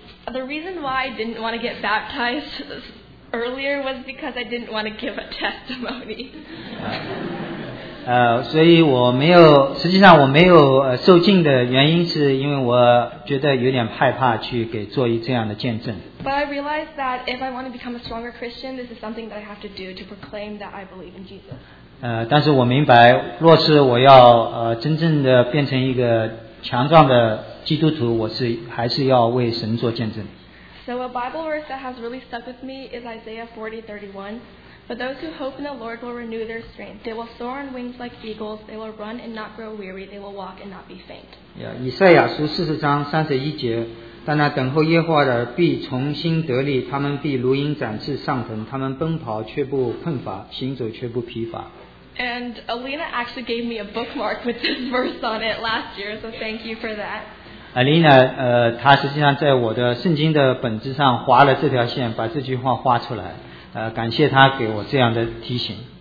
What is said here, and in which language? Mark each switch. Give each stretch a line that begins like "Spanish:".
English: The reason why I didn't want to get baptized earlier was because I didn't want to give a testimony.
Chinese: 所以我没有，实际上我没有受浸的原因是因为我觉得有点害怕去给做一这样的见证。
English: But I realized that if I want to become a stronger Christian, this is something that I have to do to proclaim that I believe in Jesus.
Chinese: 但是我明白，若是我要真正的变成一个强壮的基督徒，我是还是要为神做见证。
English: So a Bible verse that has really stuck with me is Isaiah 40:31. For those who hope in the Lord will renew their strength. They will soar on wings like eagles. They will run and not grow weary. They will walk and not be faint.
Chinese: 以赛亚书40:31，但那等候耶和华的必重新得力，他们必如鹰展翅上腾，他们奔跑却不困乏，行走却不疲乏。
English: And Alina actually gave me a bookmark with this verse on it last year, so thank you for that.
Chinese: Alina, 她实际上在我的圣经的本子上划了这条线，把这句话画出来。感谢她给我这样的提醒。